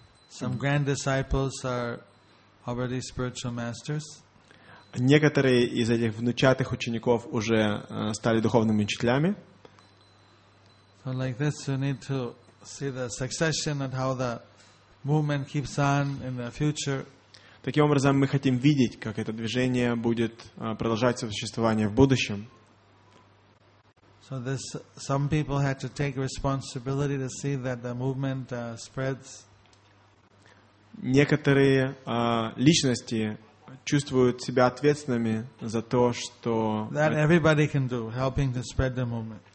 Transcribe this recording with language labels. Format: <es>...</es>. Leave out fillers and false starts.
<en>Some grand disciples are already spiritual masters.</en> <ru>Некоторые из этих внучатых учеников уже стали духовными учителями.</ru> <en>So like this, you need to see the succession and how the movement keeps on in the future.</en> <ru>Таким образом, мы хотим видеть, как это движение будет продолжать свое существование в будущем.</ru> <en>So this, some people had to take responsibility to see that the movement spreads.</en> <ru>Некоторые личности чувствуют себя ответственными за то, что</ru> <en>that everybody can do, helping to spread the movement.</en>